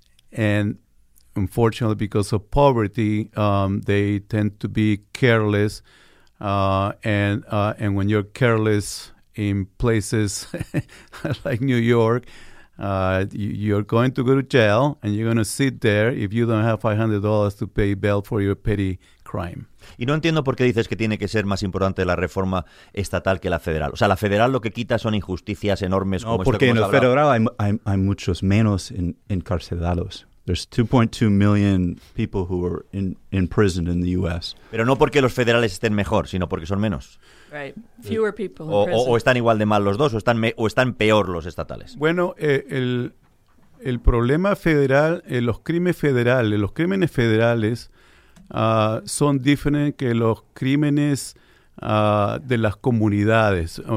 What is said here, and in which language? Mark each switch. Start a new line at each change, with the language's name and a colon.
English: And unfortunately, because of poverty, they tend to be careless. And when you're careless in places like New York, you're going to go to jail, and you're going to sit there if you don't have $500 to pay bail for your petty crime.
Spanish: Y no entiendo por qué dices que tiene que ser más importante la reforma estatal que la federal. O sea, la federal lo que quita son injusticias enormes. No, porque en el federal hay muchos menos encarcelados.
English: There's 2.2 million people who are in prison in the U.S.
Spanish: Pero no porque los federales estén mejor, sino porque son menos.
English: Right. Fewer people in prison.
Spanish: O están igual de mal los dos, o están peor los estatales. Bueno, el problema federal, los crímenes federales son diferentes que los crímenes de las comunidades.